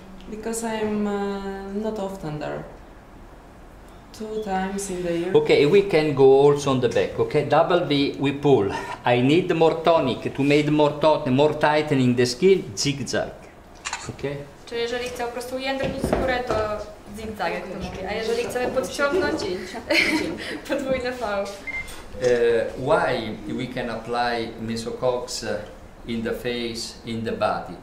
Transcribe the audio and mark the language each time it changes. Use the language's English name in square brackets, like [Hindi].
[English] Because I'm not often there. 2 times in the year. Okay, we can go also on the back, okay? Double V, we pull. I need more tonic to make more tightening the skin, zigzag. Okay? [Polish] Czyli jeżeli chcę po prostu ujędrnić skórę, to zigzag, jak to mówię. A jeżeli chcemy podciągnąć, podwójne V. [English] Why we can apply mesocoax in the face, in the body?